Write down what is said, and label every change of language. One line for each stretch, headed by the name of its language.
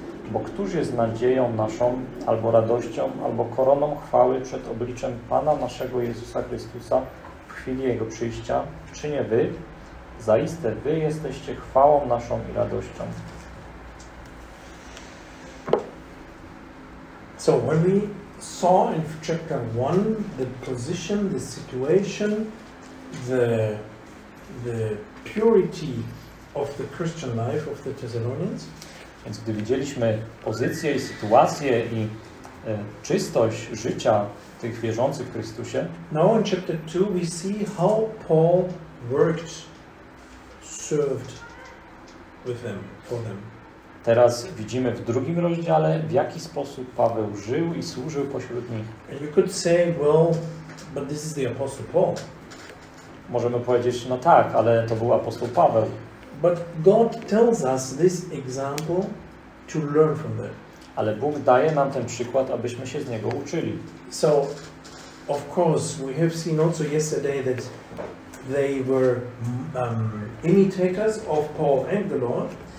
Polish: Bo któż jest nadzieją naszą, albo radością, albo koroną chwały przed obliczem Pana naszego Jezusa Chrystusa w chwili Jego przyjścia? Czy nie wy? Zaiste wy jesteście chwałą naszą i radością.
English: So when we saw in chapter 1 the position, the situation, the purity of the Christian life of the Thessalonians.
Polish: Więc gdy widzieliśmy pozycję i sytuację i czystość życia tych wierzących w Chrystusie.
English: Now in chapter 2 we see how Paul worked, served with them, for them.
Polish: Teraz widzimy w drugim rozdziale, w jaki sposób Paweł żył i służył pośród nich.
English: And you could say, well, but this is the apostle Paul.
Polish: Możemy powiedzieć, no tak, ale to był apostoł Paweł.
English: But God tells us this example to learn from them.
Polish: Ale Bóg daje nam ten przykład, abyśmy się z niego uczyli.
English: So, of course, we have seen also yesterday that they were imitators of Paul and the Lord.